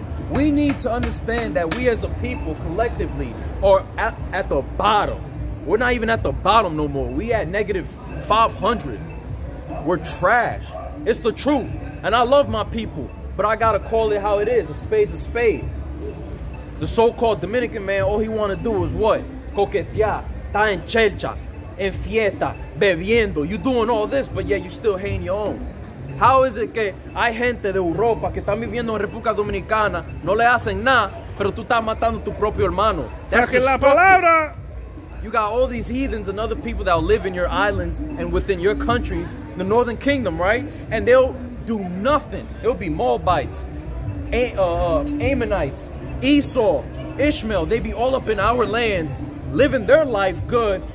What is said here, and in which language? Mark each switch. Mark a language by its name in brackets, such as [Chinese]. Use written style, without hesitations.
[English] We need to understand that we as a people collectively are at the bottom. We're not even at the bottom no more. We at negative 500. We're trash. It's the truth. And I love my people, but I gotta call it how it is. A spade's a spade. The so-called Dominican man, all he wanna do is what? [Spanish] Coquetear, ta en chelcha, en fiesta, bebiendo. [English] You doing all this, but yet you still hating your own. How is it that [Spanish] hay gente de Europa que están viviendo en República Dominicana, no le hacen nada, pero tú estás matando tu propio hermano? [English] That's [Spanish] la palabra. [English] You got all these heathens and other people that live in your islands and within your countries, the Northern Kingdom, right? And they'll do nothing. It'll be Moabites, Ammonites, Esau, Ishmael. They be all up in our lands, living their life good.